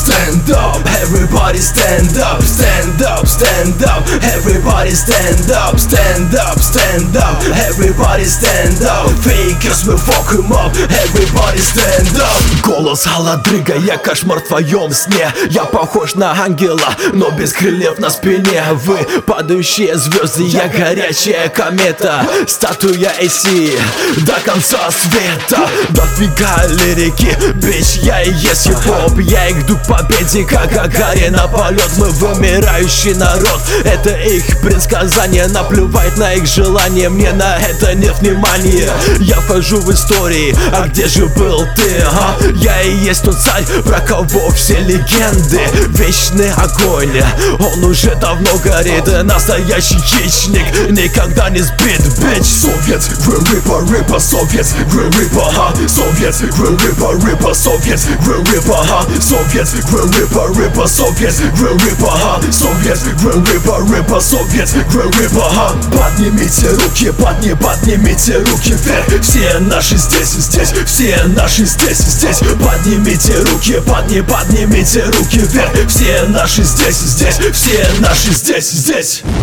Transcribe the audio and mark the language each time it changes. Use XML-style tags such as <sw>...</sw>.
<en>Stand up, everybody stand up, stand up, stand up. Everybody stand up, stand up, stand up. Everybody stand up, Fakers will fuck 'em up. Everybody stand up.</en> <ru>Голос халадрыга, я кошмар в твоем сне. Я похож на ангела, но без крыльев на спине. Вы падающие звезды, я горячая комета. Статуя AC, до конца света. Дофига лирики, бич, я и есть хип-хоп. Я иду к победе, как Гагарин на полет. Мы вымирающий народ, это их предсказание. Наплевать на их желание, мне на это нет внимания. Я вхожу в истории, а где же был ты, а? Я и есть тот царь, про кого все легенды. Вечный огонь, он уже давно горит. Настоящий хищник, никогда не сбит, бич.</ru> <en>Совет, Grim Reaper, Reaper, Совет, Grim Reaper, ha. Совет, Grim Reaper, Reaper, Совет, Grim Reaper, ha. Совет, Grim Reaper, Reaper, Совет, Grim Reaper, ha. Совет, Grim Reaper, Reaper, Совет, Grim Reaper, ha.</en> <ru>Поднимите руки, поднимите руки вверх. Все наши здесь, здесь, все наши здесь, здесь. Поднимите руки, поднимите руки вверх. Все наши здесь, здесь. Все наши здесь, здесь.</ru>